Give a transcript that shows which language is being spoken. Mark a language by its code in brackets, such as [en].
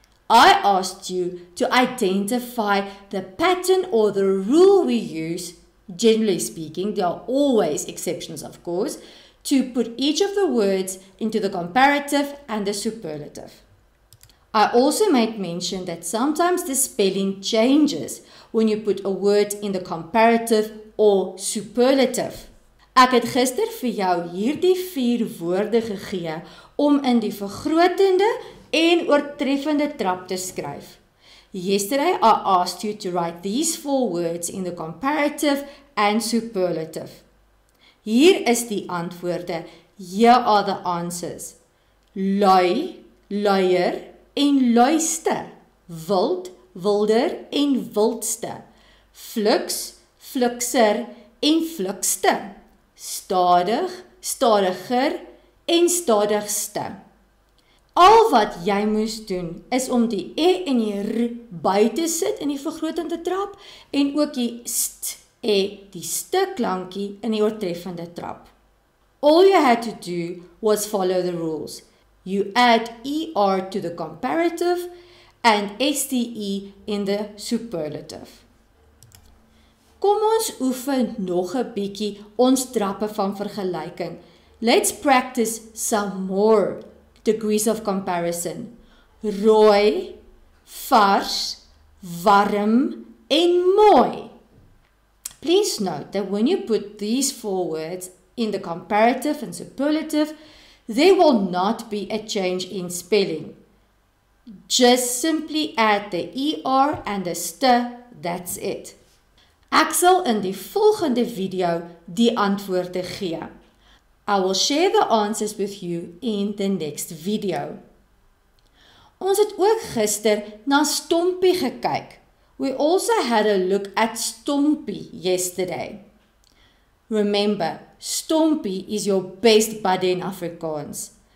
[en] I asked you to identify the pattern or the rule we use, generally speaking, there are always exceptions of course, to put each of the words into the comparative and the superlative. I also made mention that sometimes the spelling changes when you put a word in the comparative or superlative. [af] Ek het gister vir jou hierdie vier woorde gegee om in die vergrotende en oortreffende trap te skryf. [en] Yesterday I asked you to write these four words in the comparative and superlative. [af] Hier is die antwoorde. [en] Here are the answers. [af] Lui, luier en luiste. Wild, wilder en wildste. Fluks, flukser en flukste. Stadig, stadiger en stadigste. Al wat jy moes doen is om die e en die r by te sit in die vergrotende trap en ook die st e, die st klankie in die oortreffende trap. [en] All you had to do was follow the rules. You add er to the comparative and ste in the superlative. [af] Kom ons oefen nog 'n bietjie ons trappe van vergelyking. [en] Let's practice some more degrees of comparison. [af] Rooi, vars, warm, en mooi. [en] Please note that when you put these four words in the comparative and superlative, there will not be a change in spelling. Just simply add the er and the st, that's it. [af] Ek sal in die volgende video die antwoorde gee. [en] I will share the answers with you in the next video. [af] Ons het ook gister na stompie gekyk. [en] We also had a look at stompie yesterday. Remember, stompie is your best buddy in Afrikaans.